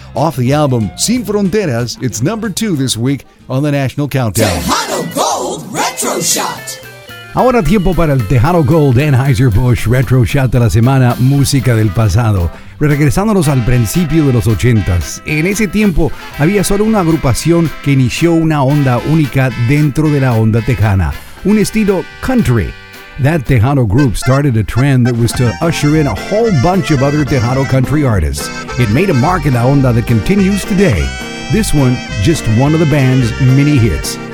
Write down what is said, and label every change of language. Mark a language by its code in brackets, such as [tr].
[en] Off the album Sin Fronteras, it's number 2 this week on the National Countdown. Tejano Gold Retro Shot. [es] Ahora tiempo para el Tejano Gold Anheuser-Busch Retro Shot de la semana, música del pasado. Regresándonos al principio de los 80s, en ese tiempo había solo una agrupación que inició una onda única dentro de la onda tejana, un estilo country. [en] That Tejano group started a trend that was to usher in a whole bunch of other Tejano country artists. It made a mark in la onda that continues today. This one, just one of the band's many hits.